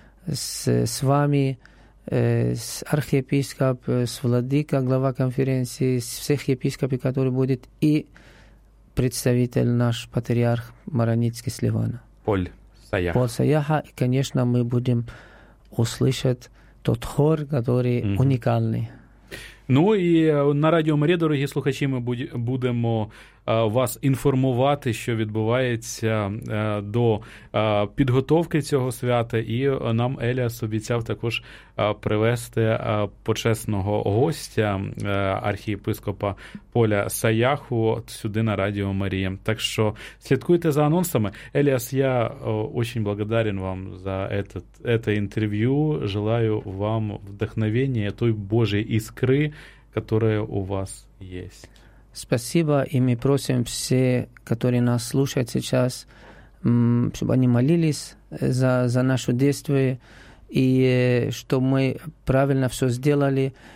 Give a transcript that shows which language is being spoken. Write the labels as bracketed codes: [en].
[ru] с вами, с архиепископом, с владыкой, глава конференции, с всех епископов, которые будут, и представитель наш патриарх Мароницкий Сливана. Поль Саяха. И, конечно, мы будем услышать тот хор, который уникальный. [uk] Ну і на Радіо Марія, дорогі слухачі, ми будемо вас інформувати, що відбувається до підготовки цього свята. І нам Еліас обіцяв також привезти почесного гостя, архієпископа Поля Саяху, сюди на Радіо Марія. Так що слідкуйте за анонсами. Еліас, я дуже благодарен вам за це інтерв'ю. [ru] Желаю вам вдохновення, [uk] той Божої іскри, [ru] которая у вас есть. Спасибо, и мы просим все, которые нас слушают сейчас, чтобы они молились за наше действие, и чтобы мы правильно все сделали.